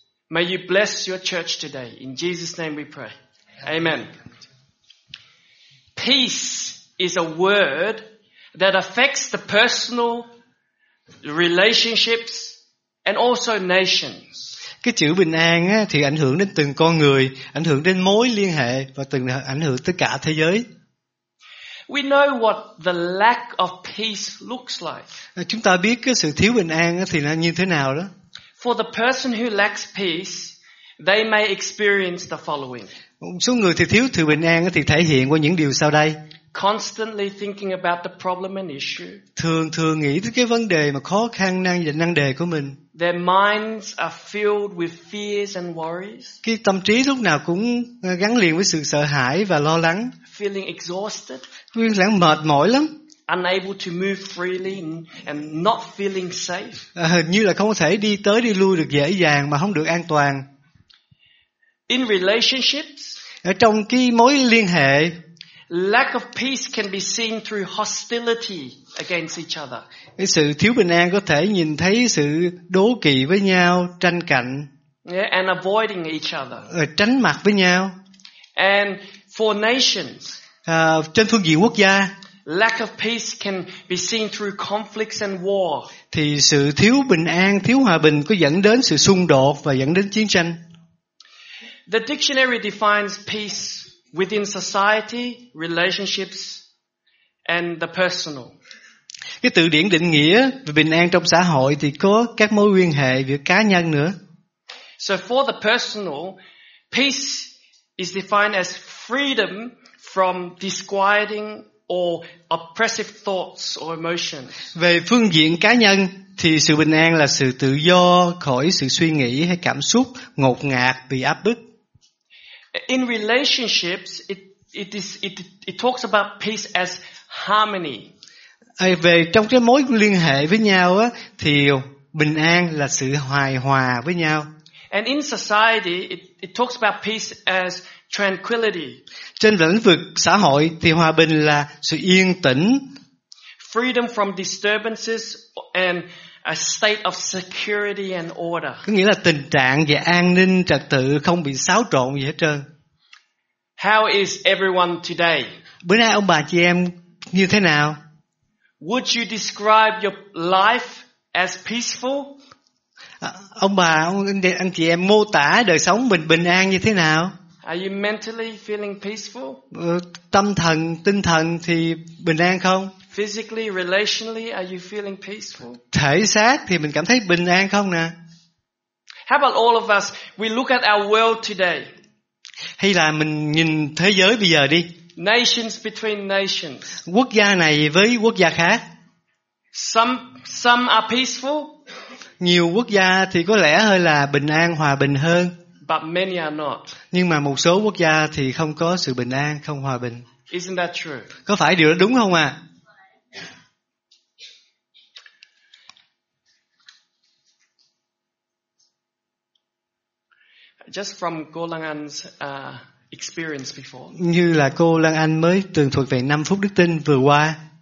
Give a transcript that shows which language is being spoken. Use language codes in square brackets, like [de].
[en] May you bless your church today. In Jesus' name we pray. Amen. Peace is a word that affects the personal relationships and also nations. [vi] Cái chữ bình an á thì ảnh hưởng đến từng con người, ảnh hưởng đến mối liên hệ và từng ảnh hưởng tới cả thế giới. [en] We know what the lack of peace looks like. [vi] Chúng ta biết cái sự thiếu bình an á thì nó như thế nào đó. [en] For the person who lacks peace, they may experience the following. [vi] Một số người thì thiếu sự bình an á thì thể hiện qua những điều sau đây. [en] Constantly thinking about the problem and issue. [vi] Thường thường nghĩ tới cái vấn đề mà khó khăn nan đề của mình. [en] Their minds are filled with fears and worries. [vi] Cái tâm trí lúc nào cũng gắn liền với sự sợ hãi và lo lắng. [en] Feeling exhausted. [vi] Nguyên lãng mệt mỏi lắm. [en] Unable to move freely and not feeling safe. [vi] Hình như là không thể đi tới đi lui được dễ dàng mà không được an toàn. [en] In relationships. [vi] Ở trong cái mối liên hệ. [en] Lack of peace can be seen through hostility against each other. [vi] Cái sự thiếu bình an có thể nhìn thấy sự đố kỵ với nhau, tranh cạnh. [en] Yeah, and avoiding each other. [vi] Tránh mặt với nhau. [en] And for nations. [vi] Trên phương diện quốc gia. [en] Lack of peace can be seen through conflicts and war. [vi] Thì sự thiếu bình an, thiếu hòa bình có dẫn đến sự xung đột và dẫn đến chiến tranh. [en] The dictionary defines peace within society, relationships, and the personal. [vi] Cái từ điển định nghĩa về bình an trong xã hội thì có các mối quan hệ giữa cá nhân nữa. [en] So for the personal, peace is defined as freedom from disquieting or oppressive thoughts or emotions. [vi] Về phương diện cá nhân thì sự bình an là sự tự do khỏi sự suy nghĩ hay cảm xúc ngột ngạt bị áp bức. [en] In relationships, it talks about peace as harmony. [vi] Về trong cái mối liên hệ với nhau á, thì bình an là sự hài hòa với nhau. [en] And in society, it talks about peace as tranquility. [vi] Trên lĩnh vực xã hội thì hòa bình là sự yên tĩnh. [en] Freedom from disturbances and a state of security and order. [vi] Có nghĩa là tình trạng về an ninh trật tự không bị xáo trộn gì hết trơn. [en] How is everyone today? [vi] Bữa nay ông bà chị em như thế nào? [en] Would you describe your life as peaceful? [vi] Ông bà, anh chị em mô tả đời sống mình bình an như thế nào? [en] Are you mentally feeling peaceful? [vi] Tâm thần, tinh thần thì bình an không? [en] Physically, relationally, are you feeling peaceful? [vi] Thể xác thì mình cảm thấy bình an không nè? [en] How about all of us? We look at our world today. [vi] Hay là mình nhìn thế giới bây giờ đi. [en] Nations between nations. [vi] Quốc gia này với quốc gia khác. [en] Some are peaceful. [vi] Nhiều quốc gia thì có lẽ hơi là bình an, hòa bình hơn. [en] But many are not. [vi] Nhưng mà một số quốc gia thì không có sự bình an, không hòa bình. [en] Isn't that true? [vi] Có phải điều đó đúng không ạ? [en] Just from Cô Lan Anh's experience before. [vi] Như là cô Lan Anh mới tường thuật về 5 phút đức tin vừa qua.